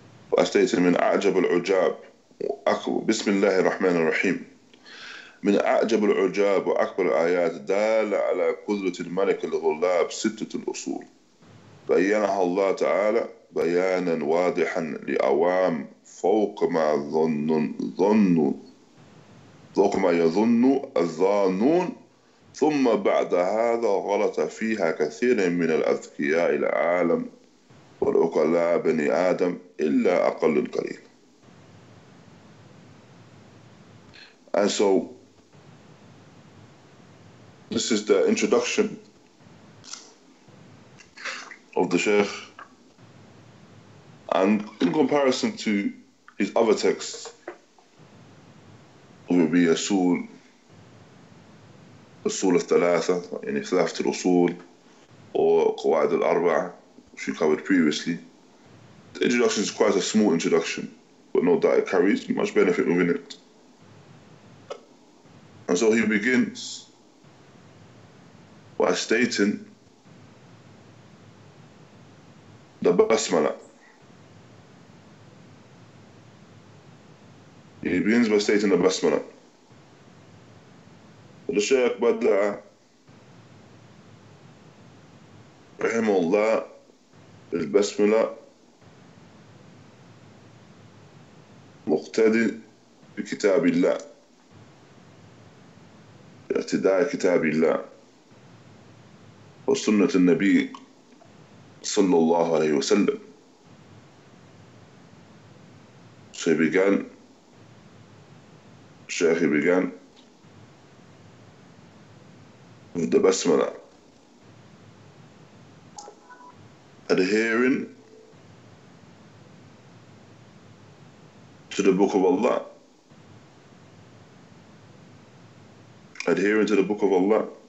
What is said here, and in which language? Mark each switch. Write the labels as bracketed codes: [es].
[en] translates it, [ar] من أعجب العجاب بسم الله الرحمن الرحيم من أعجب العجاب وأكبر الآيات دال على قدرة الملك الغلاب ستة الأصول بيّنها الله تعالى بيانا واضحا لأوام فوق ما ظنوا فوق ما يظن الظانون ثم بعد هذا غلط فيها كثير من الأذكياء العالم والأقلاء بني آدم إلا أقل القليل. [en] And so this is the introduction of the Shaykh, and in comparison to his other texts of Rabīʿ al-Uṣūl, al-Uṣūl al-Thalāthah, in Ithlāf al-Uṣūl, or Qawāʾid al-Arba'ah, which we covered previously, the introduction is quite a small introduction, but note that it carries much benefit within it. And so he begins by stating the basmala. He begins by stating the basmala. [ar] The Shaykh Bada'a رحمه الله البسملة مقتدي بكتاب الله اقتداء كتاب الله وسنة النبي صلى الله عليه وسلم. [en] So he began with the basmala, adhering to the Book of Allah, adhering to the Book of Allah,